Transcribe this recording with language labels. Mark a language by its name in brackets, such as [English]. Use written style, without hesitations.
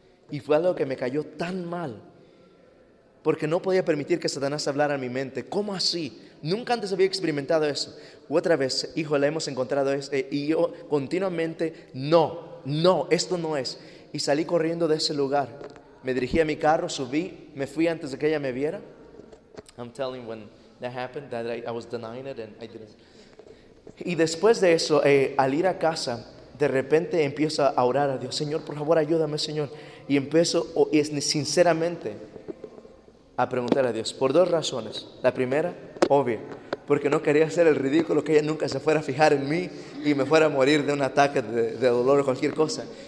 [Spanish] Y fue algo que me cayó tan mal, porque no podía permitir que Satanás hablara a mi mente. ¿Cómo así? Nunca antes había experimentado eso. Otra vez, hijo, la hemos encontrado. Y yo continuamente, no, esto no es. Y salí corriendo de ese lugar. Me dirigí a mi carro, subí, me fui antes de que ella me viera. [English] I'm telling when that happened that I was denying it and I didn't. [Spanish] Y después de eso, al ir a casa, de repente empiezo a orar a Dios. Señor, por favor, ayúdame, Señor. Y empiezo, sinceramente, a preguntar a Dios. Por dos razones. La primera, obvio, porque no quería hacer el ridículo que ella nunca se fuera a fijar en mí y me fuera a morir de un ataque de dolor o cualquier cosa.